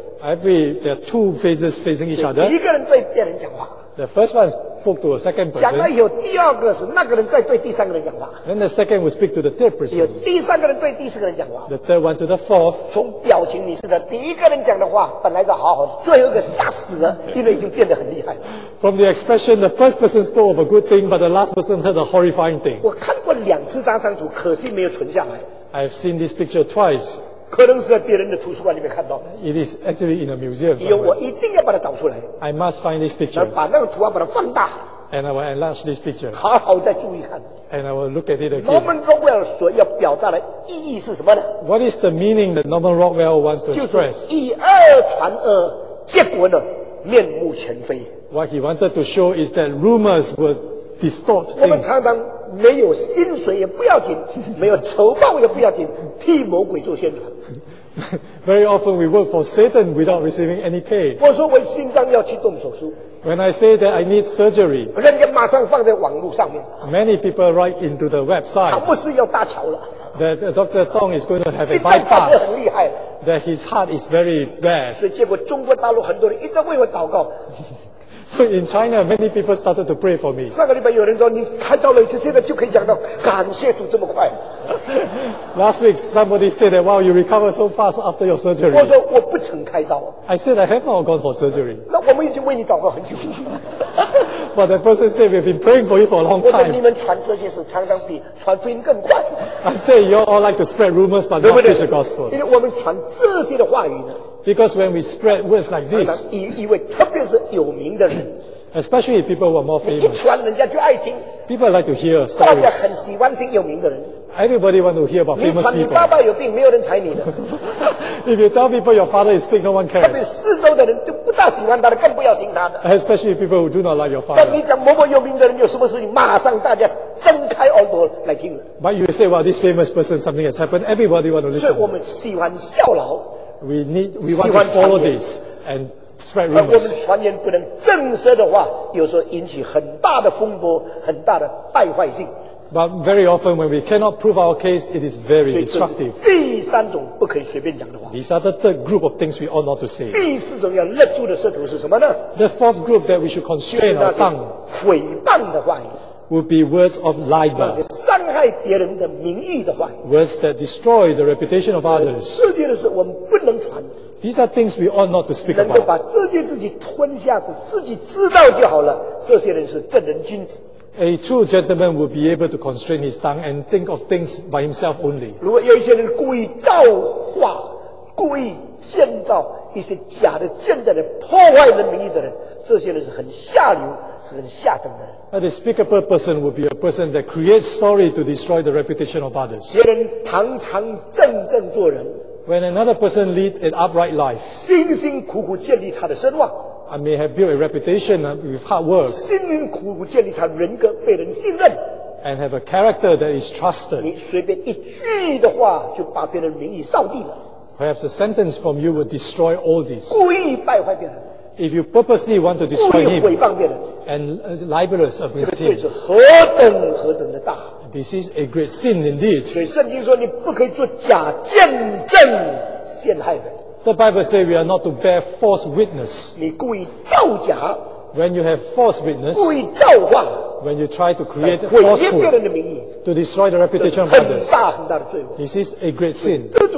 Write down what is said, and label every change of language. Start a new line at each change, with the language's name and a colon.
English: There are two faces facing each other.
Chinese: 一个人对别人讲话。
English: The first one spoke to a second person.
Chinese: 讲了以后，第二个是那个人在对第三个人讲话。
English: Then the second will speak to the third person.
Chinese: 有第三个人对第四个人讲话。
English: The third one to the fourth.
Chinese: 从表情你知道，第一个人讲的话本来是好好的，最后一个吓死了，因为已经变得很厉害了。
English: From the expression, the first person spoke of a good thing, but the last person heard a horrifying thing.
Chinese: 我看过两次张张图，可惜没有存下来。
English: I've seen this picture twice.
Chinese: 可能是在别人的图书馆里面看到。
English: It is actually in a museum.
Chinese: 有，我一定要把它找出来。
English: I must find this picture.
Chinese: 把那个图案把它放大。
English: And I will enlarge this picture.
Chinese: 好好再注意看。
English: And I will look at it again.
Chinese: Norman Rockwell 所要表达的意义是什么呢？
English: What is the meaning that Norman Rockwell wants to express?
Chinese: 以讹传讹，结果呢，面目全非。
English: What he wanted to show is that rumors were distort things.
Chinese: 我们常常没有薪水也不要紧，没有酬报也不要紧，替魔鬼做宣传。
English: Very often we work for Satan without receiving any pay.
Chinese: 我说我心脏要去动手术。
English: When I say that I need surgery,
Chinese: 人家马上放在网络上面。
English: Many people write into the website.
Chinese: 他不是要搭桥了。
English: That Dr. Tong is going to have a bypass. That his heart is very bad.
Chinese: 所以结果中国大陆很多人一直为我祷告。
English: So in China, many people started to pray for me.
Chinese: 上个礼拜有人说你看到了，现在就可以讲到感谢主这么快。
English: Last week, somebody said that wow, you recover so fast after your surgery.
Chinese: 我说我不曾开刀。
English: I said I have not gone for surgery.
Chinese: 那我们已经为你祷告很久。
English: But that person said we've been praying for you for a long time.
Chinese: 我说你们传这些事常常比传福音更快。
English: I said you all like to spread rumors, but not preach the gospel.
Chinese: 因为我们传这些的话语呢。
English: Because when we spread words like this,
Chinese: 以为特别是有名的人
English: especially if people who are more famous,
Chinese: 一传人家就爱听
English: people like to hear stories.
Chinese: 大家很喜欢听有名的人
English: everybody want to hear about famous people.
Chinese: 你传你爸爸有病，没有人睬你的
English: if you tell people your father is sick, no one cares.
Chinese: 特别四周的人都不大喜欢他的，更不要听他的
English: especially people who do not like your father.
Chinese: 但你讲某某有名的人有什么事情，马上大家睁开耳朵来听了
English: but you say, well, this famous person, something has happened, everybody want to listen.
Chinese: 所以我们喜欢效劳。
English: We want to follow this and spread rumors.
Chinese: 我们传言不能正式的话，有时候引起很大的风波，很大的败坏性。
English: But very often when we cannot prove our case, it is very destructive.
Chinese: 第三种不可以随便讲的话。
English: These are the third group of things we ought not to say.
Chinese: 第四种要勒住的舌头是什么呢？
English: The fourth group that we should constrain our tongue.
Chinese: 毁谤的话语。
English: Would be words of libel.
Chinese: 那些伤害别人的名誉的话。
English: Words that destroy the reputation of others.
Chinese: 这些的事我们不能传。
English: These are things we ought not to speak about.
Chinese: 能够把这些自己吞下子，自己知道就好了。这些人是正人君子。
English: A true gentleman would be able to constrain his tongue and think of things by himself only.
Chinese: 如果有一些人故意造化，故意建造一些假的见证人，破坏人名誉的人，这些人是很下流，是很下等的人。
English: A despicable person would be a person that creates story to destroy the reputation of others.
Chinese: 别人堂堂正正做人。
English: When another person lead an upright life,
Chinese: 辛辛苦苦建立他的声望。
English: I may have built a reputation with hard work.
Chinese: 辛辛苦苦建立他人格，被人信任。
English: And have a character that is trusted.
Chinese: 你随便一句的话就把别人名誉扫地了。
English: Perhaps a sentence from you would destroy all this.
Chinese: 故意败坏别人。
English: If you purposely want to destroy him,
Chinese: 故意毁谤别人。
English: And libelous against him.
Chinese: 这个罪是何等何等的大。
English: This is a great sin indeed.
Chinese: 所以圣经说你不可以做假见证陷害人。
English: The Bible says we are not to bear false witness.
Chinese: 你故意造假。
English: When you have false witness.
Chinese: 故意造化。
English: when you try to create falsehood to destroy the reputation of others, this is a great sin.